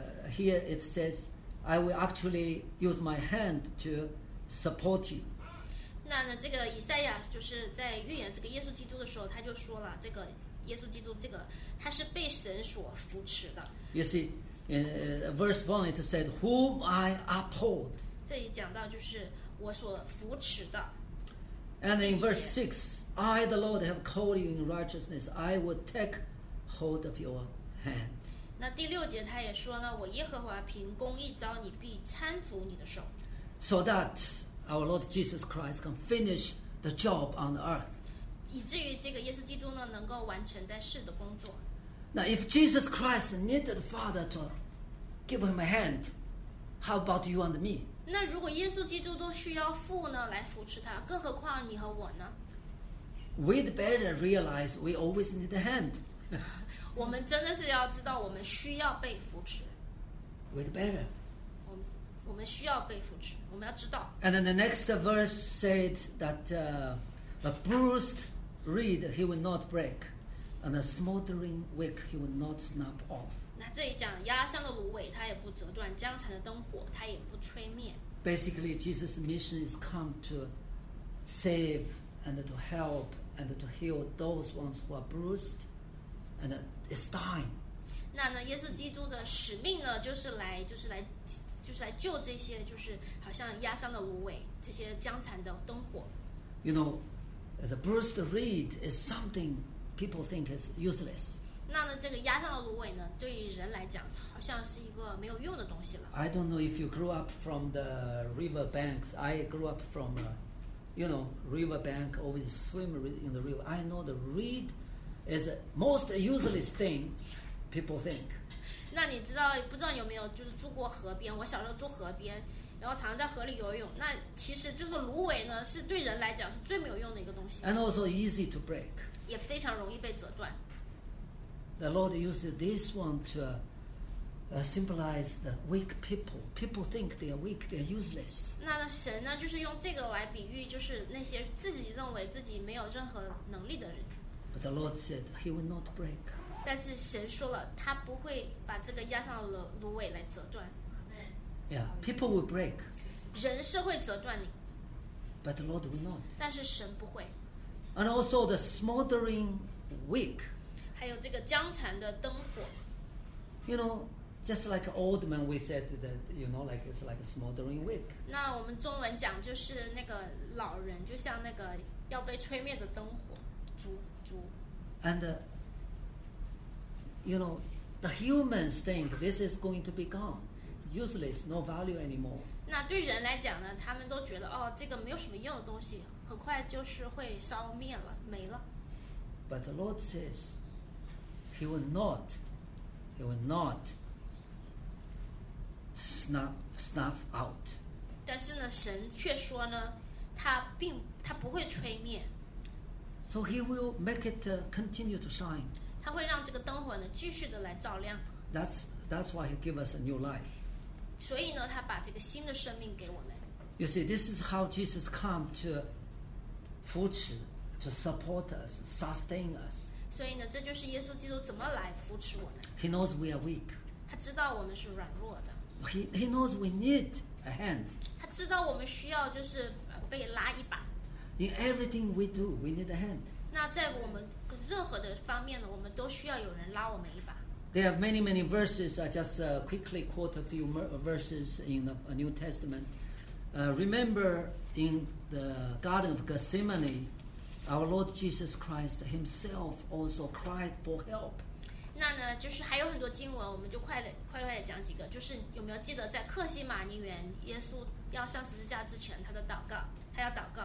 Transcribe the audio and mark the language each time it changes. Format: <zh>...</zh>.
<en>Here it says, I will actually use my hand to support you.</en> <zh>那呢，这个以赛亚就是在预言这个耶稣基督的时候，他就说了，这个耶稣基督，这个他是被神所扶持的。</zh> <en>You see, in verse one, it said, "Whom I uphold."</en> <zh>这里讲到就是我所扶持的。</zh> <en>And in verse six, I, the Lord, have called you in righteousness. I will take hold of your hand.</en> <zh>那第六节他也说呢，我耶和华凭公义招你，必搀扶你的手。</zh> <en>So that. Our Lord Jesus Christ can finish the job on earth.</en> <zh>以至于这个耶稣基督呢，能够完成在世的工作。</zh> <en>Now, if Jesus Christ needed the Father to give him a hand, how about you and me?</en> <zh>那如果耶稣基督都需要父呢来扶持他，更何况你和我呢？</zh> <en>We'd better realize we always need a hand.</en> <zh>我们真的是要知道我们需要被扶持。</zh> <en>We'd better.</en> <zh>我们需要被扶持，我们要知道。</zh> <en>And then the next verse said that a bruised reed he will not break, and a smoldering wick he will not snap off.</en> <zh>那这里讲压伤的芦苇它也不折断，江城的灯火它也不吹灭。</zh> <en>Basically, Jesus' mission is come to save and to help and to heal those ones who are bruised, and it's time.</en> <zh>那呢，耶稣基督的使命呢，就是来救这些，就是好像压伤的芦苇，这些僵残的灯火。</zh> <en>You know, the bruised reed is something people think is useless.</en> <zh>那呢，这个压伤的芦苇呢，对于人来讲，好像是一个没有用的东西了。</zh> <en>I don't know if you grew up from the river banks. I grew up from, you know, river bank. Always swim in the river. I know the reed is the most useless thing people think.</en> <zh>那你知道不知道有没有就是住过河边？我小时候住河边。然后常常在河里游泳，那其实这个芦苇呢，是对人来讲是最没有用的一个东西。</zh> <en>And also easy to break.</en> <zh>也非常容易被折断。</zh> <en>The Lord used this one to symbolize the weak people. People think they are weak, they are useless.</en> <zh>那神呢，就是用这个来比喻，就是那些自己认为自己没有任何能力的人。</zh> <en>But the Lord said he will not break.</en> <zh>但是神说了，他不会把这个压上的芦苇来折断。</zh> <en>Yeah, people will break.</en> <zh>人是会折断你。</zh> <en>But the Lord will not.</en> <zh>但是神不会。</zh> <en>And also the smoldering wick.</en> <zh>还有这个僵残的灯火。</zh> <en>You know, just like old man, we said that, you know, like it's like a smoldering wick.</en> <zh>那我们中文讲就是那个老人，就像那个要被吹灭的灯火，烛。</zh> <en>And, you know, the humans think this is going to be gone. Useless, no value anymore.</en> <zh>那对人来讲呢，他们都觉得哦，这个没有什么用的东西，很快就是会烧灭了，没了。</zh> <en>But the Lord says, He will not snuff out.</en> <zh>但是呢，神却说呢，他不会吹灭。</zh> <en>So He will make it continue to shine.</en> <zh>他会让这个灯火呢，继续的来照亮。</zh> <en>That's why He gives us a new life.</en> <zh>所以呢，他把这个新的生命给我们。</zh> <en>You see, this is how Jesus came to 扶持 to support us, sustain us.</en> <zh>所以呢，这就是耶稣基督怎么来扶持我们。</zh> <en>He knows we are weak.</en> <zh>他知道我们是软弱的。</zh> <en>He knows we need a hand.</en> <zh>他知道我们需要就是被拉一把。</zh> <en>In everything we do, we need a hand.</en> <zh>那在我们任何的方面呢，我们都需要有人拉我们一把。</zh> <en>There are many, many verses. I just quickly quote a few verses in the New Testament. Remember in the Garden of Gethsemane, our Lord Jesus Christ himself also cried for help.</en> <zh>那呢，就是还有很多经文，我们就快讲几个。就是有没有记得在客西马尼园，耶稣要上十字架之前，他的祷告，他要祷告。</zh>